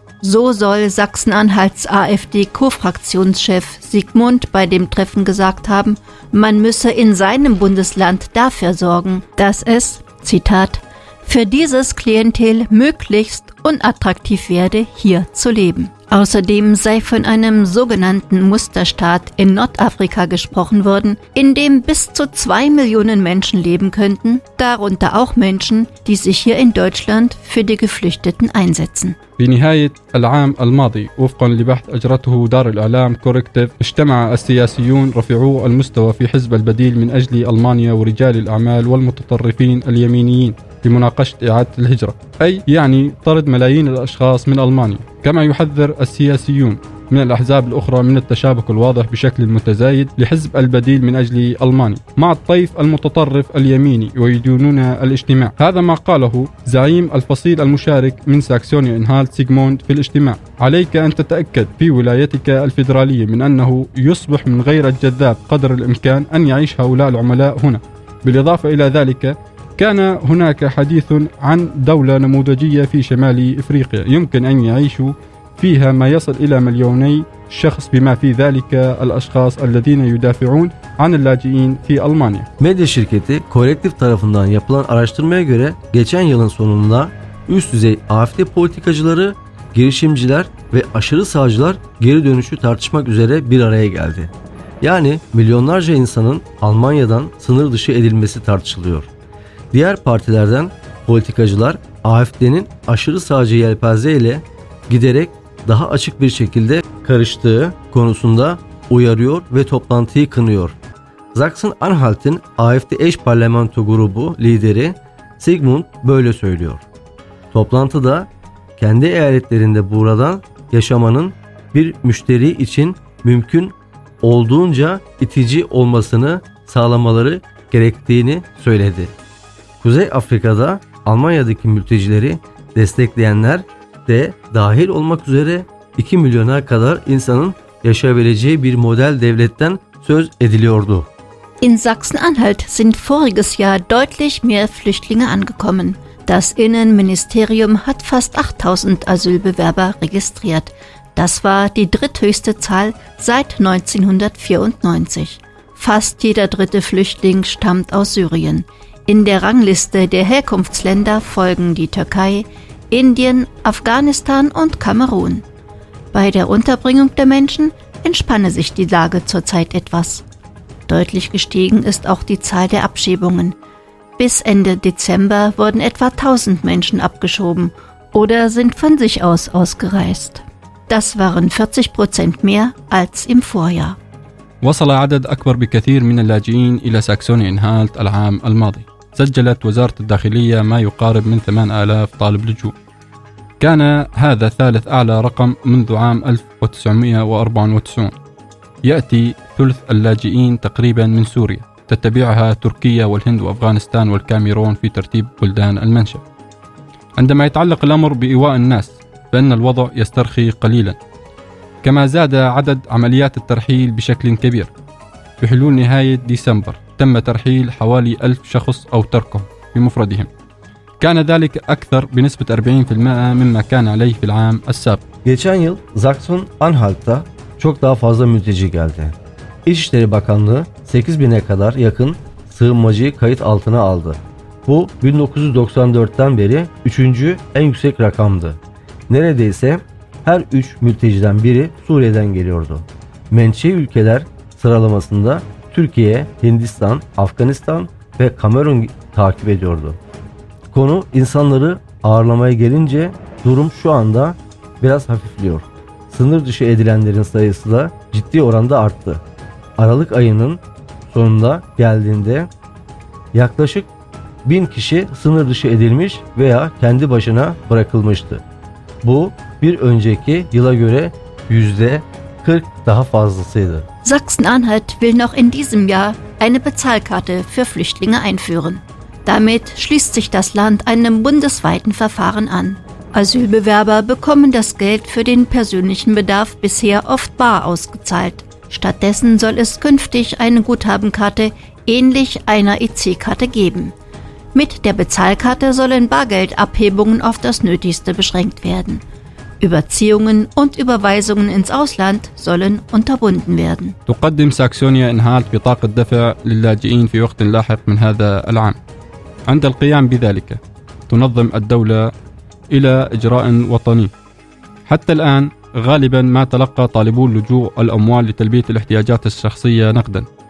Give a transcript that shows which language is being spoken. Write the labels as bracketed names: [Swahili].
[German] So soll Sachsen-Anhalts AfD-Kofraktionschef Siegmund bei dem Treffen gesagt haben, man müsse in seinem Bundesland dafür sorgen, dass es, Zitat, für dieses Klientel möglichst unattraktiv werde, hier zu leben. Außerdem sei von einem sogenannten Musterstaat in Nordafrika gesprochen worden, in dem bis zu 2 Millionen Menschen leben könnten, darunter auch Menschen, die sich hier in Deutschland für die Geflüchteten einsetzen. [Arabic] في نهاية العام الماضي وفقا لبحث أجرته دار الإعلام كوركتيف اجتمع السياسيون رفيعو المستوى في حزب البديل من أجل ألمانيا ورجال الأعمال والمتطرفين اليمينيين لمناقشة إعادة الهجرة أي يعني طرد ملايين الأشخاص من ألمانيا كما يحذر السياسيون من الأحزاب الأخرى من التشابك الواضح بشكل متزايد لحزب البديل من أجل ألمانيا مع الطيف المتطرف اليميني ويدينون الاجتماع هذا ما قاله زعيم الفصيل المشارك من ساكسونيا إنهالت سيغموند في الاجتماع عليك أن تتأكد في ولايتك الفيدرالية من أنه يصبح من غير الجذاب قدر الإمكان أن يعيش هؤلاء العملاء هنا بالإضافة إلى ذلك كان هناك حديث عن دولة نموذجية في شمال إفريقيا يمكن أن يعيشوا فيها ما يصل إلى 2 مليون شخص بما في ذلك الأشخاص الذين يدافعون عن اللاجئين في ألمانيا. [Turkish] Medya şirketi Kolektif tarafından yapılan araştırmaya göre geçen yılın sonunda üst düzey AfD politikacıları, girişimciler ve aşırı sağcılar geri dönüşü tartışmak üzere bir araya geldi. Yani milyonlarca insanın Almanya'dan sınır dışı edilmesi tartışılıyor. Diğer partilerden politikacılar AfD'nin aşırı sağcı yelpaze ile giderek daha açık bir şekilde karıştığı konusunda uyarıyor ve toplantıyı kınıyor. Sachsen-Anhalt'in AfD eş parlamento grubu lideri Siegmund böyle söylüyor. Toplantıda kendi eyaletlerinde buradan yaşamanın bir müşteri için mümkün olduğunca itici olmasını sağlamaları gerektiğini söyledi. Kuzey Afrika'da Almanya'daki mültecileri destekleyenler de dahil olmak üzere 2 milyona kadar insanın yaşayabileceği bir model devletten söz ediliyordu. [German] In Sachsen-Anhalt sind voriges Jahr deutlich mehr Flüchtlinge angekommen. Das Innenministerium hat fast 8000 Asylbewerber registriert. Das war die dritthöchste Zahl seit 1994. Fast jeder dritte Flüchtling stammt aus Syrien. In der Rangliste der Herkunftsländer folgen die Türkei, Indien, Afghanistan und Kamerun. Bei der Unterbringung der Menschen entspanne sich die Lage zurzeit etwas. Deutlich gestiegen ist auch die Zahl der Abschiebungen. Bis Ende Dezember wurden etwa 1000 Menschen abgeschoben oder sind von sich aus ausgereist. Das waren 40% mehr als im Vorjahr. [Arabic] وصل عدد أكبر بكثير من اللاجئين إلى ساكسونيا إنهالت العام الماضي. سجلت وزارة الداخلية ما يقارب من 8000 طالب لجوء. كان هذا ثالث أعلى رقم منذ عام 1994. يأتي ثلث اللاجئين تقريبا من سوريا. تتبعها تركيا والهند وأفغانستان والكاميرون في ترتيب بلدان المنشأ. عندما يتعلق الأمر بإيواء الناس فإن الوضع يسترخي قليلا. كما زاد عدد عمليات الترحيل بشكل كبير بحلول نهاية ديسمبر تم ترحيل حوالي 1000 شخص أو تركهم بمفردهم. كان ذلك أكثر بنسبة 40% مما كان عليه في العام السابق. [Turkish] Geçen yıl Sachsen-Anhalt'ta çok daha fazla mülteci geldi. İçişleri Bakanlığı 8000'e kadar yakın sığınmacıyı kayıt altına aldı. Bu 1994'ten beri 3. en yüksek rakamdı. Neredeyse her 3 mülteciden biri Suriye'den geliyordu. Menşe ülkeler sıralamasında Türkiye, Hindistan, Afganistan ve Kamerun takip ediyordu. Konu insanları ağırlamaya gelince durum şu anda biraz hafifliyor. Sınır dışı edilenlerin sayısı da ciddi oranda arttı. Aralık ayının sonunda geldiğinde yaklaşık 1000 kişi sınır dışı edilmiş veya kendi başına bırakılmıştı. Bu bir önceki yıla göre %40 daha fazlasıydı. [German] Sachsen-Anhalt will noch in diesem Jahr eine Bezahlkarte für Flüchtlinge einführen. Damit schließt sich das Land einem bundesweiten Verfahren an. Asylbewerber bekommen das Geld für den persönlichen Bedarf bisher oft bar ausgezahlt. Stattdessen soll es künftig eine Guthabenkarte ähnlich einer EC-Karte geben. Mit der Bezahlkarte sollen Bargeldabhebungen auf das Nötigste beschränkt werden. Überziehungen und Überweisungen ins Ausland sollen unterbunden werden. [Arabic] تقدم ساكسونيا إنهالت بطاقة دفع للاجئين في وقت لاحق من هذا العام. عند القيام بذلك تنظم الدولة إلى إجراء وطني. حتى الآن غالبا ما تلقى طالبو اللجوء الأموال لتلبية الاحتياجات الشخصية نقدا.